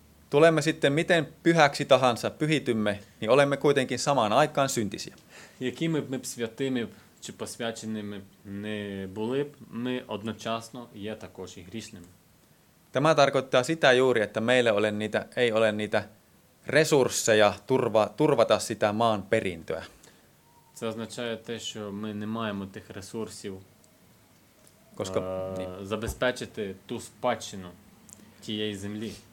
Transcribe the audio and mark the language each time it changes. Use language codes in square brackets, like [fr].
[fi] Tulemme sitten miten pyhäksi tahansa pyhitymme, niin olemme kuitenkin samaan aikaan syntisiä. [uk] Якими б святими чи посвяченими не були б, ми одночасно є також і грішними. [fi] Tämä tarkoittaa sitä juuri, että meillä ei ole niitä resursseja turvata sitä maan perintöä. [uk] Це означає те, що ми не маємо тих ресурсів, [fi] koska [uk] забезпечити ту спадщину тієї землі.